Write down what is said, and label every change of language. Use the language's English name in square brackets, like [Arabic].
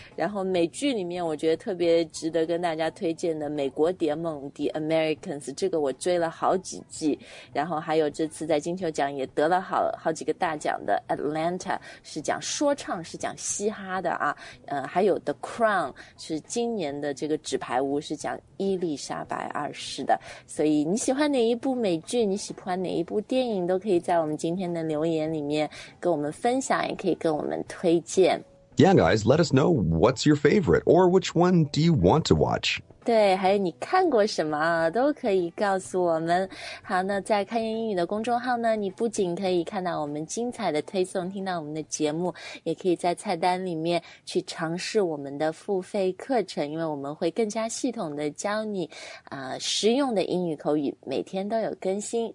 [Chinese] 然后美剧里面我觉得特别值得跟大家推荐的美国谍梦 The Americans， 这个我追了好几季，然后还有这次在金球奖也得了好几个大奖的 Atlanta， 是讲说唱，是讲嘻哈的啊，还有 The Crown 是今年的这个纸牌屋，是讲伊丽莎白二世的。所以你喜欢哪一部美剧，你喜欢哪一部电影，都可以在我们今天的留言里面跟我们分享，也可以跟我们推荐。 [English] Yeah, guys, let us know what's your favorite or which one do you want to watch? [Chinese] 对，还有你看过什么都可以告诉我们。好，那在开言英语的公众号呢，你不仅可以看到我们精彩的推送，听到我们的节目，也可以在菜单里面去尝试我们的付费课程，因为我们会更加系统的教你实用的英语口语，每天都有更新。